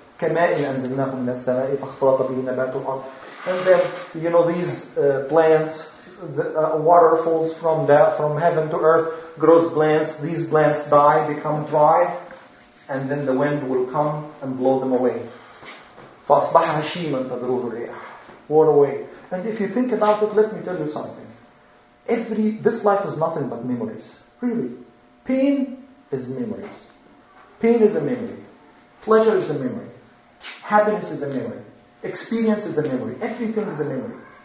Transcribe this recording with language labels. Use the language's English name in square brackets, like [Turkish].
[Arabic] كَمَاءٍ أَنْزَلْنَاهُ مِنَ السَّمَاءِ فَاخْتَلَطَ بِهِ نَبَاتُ الْأَرْضِ. [English] And then, you know, these plants, water falls from heaven to earth, grows plants, these plants die, become dry, and then the wind will come and blow them away. [Arabic] فأصبح هشيما تدروه الرياح. [English] What a way. And if you think about it, let me tell you something. This life is nothing but memories. Really. Pain is memories. Pain is a memory. Pleasure is a memory. Happiness is a memory. Experience is a memory. Everything is a memory.